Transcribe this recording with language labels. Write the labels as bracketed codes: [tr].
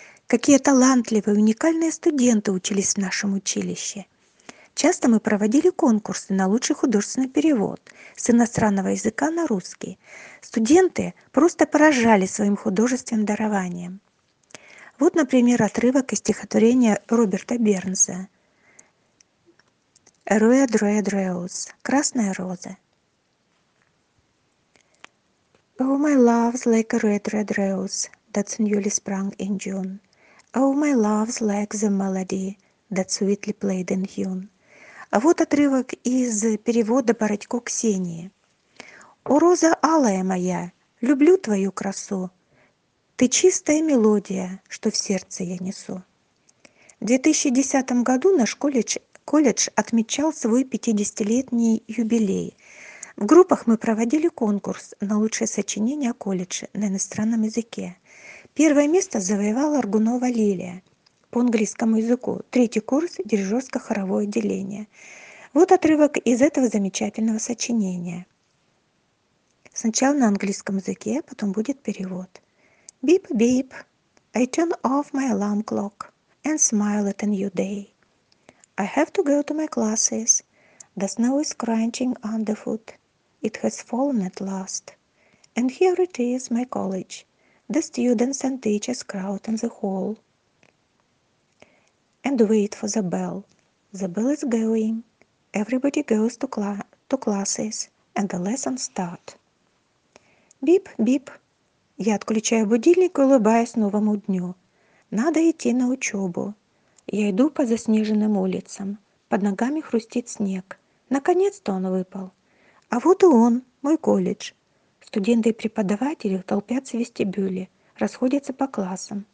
[ru] Какие талантливые, уникальные студенты учились в нашем училище. Часто мы проводили конкурсы на лучший художественный перевод с иностранного языка на русский. Студенты просто поражали своим художественным дарованием. Вот, например, отрывок из стихотворения Роберта Бернса. [en] «Red Red Rose» – [ru] «Красная роза». [en] «Oh, my love's like a red red rose that's newly sprung in June. Oh, my love's like the melody that's sweetly played in hewn». [ru] А вот отрывок из перевода Бородько Ксении. «О, роза алая моя, люблю твою красу. Ты чистая мелодия, что в сердце я несу». В 2010 году наш колледж отмечал свой 50-летний юбилей. В группах мы проводили конкурс на лучшее сочинение колледжа на иностранном языке. Первое место завоевала Аргунова Лилия по английскому языку, третий курс – дирижерско-хоровое отделение. Вот отрывок из этого замечательного сочинения. Сначала на английском языке, потом будет перевод. [en] Beep-beep, I turn off my alarm clock and smile at a new day. I have to go to my classes. The snow is crunching underfoot. It has fallen at last. And here it is, my college. The students and teachers crowd in the hall and wait for the bell. The bell is going. Everybody goes to classes and the lessons start. Beep-beep. [ru] Я отключаю будильник и улыбаюсь новому дню. Надо идти на учебу. Я иду по заснеженным улицам. Под ногами хрустит снег. Наконец-то он выпал. А вот и он, мой колледж. Студенты и преподаватели толпятся в вестибюле. Расходятся по классам.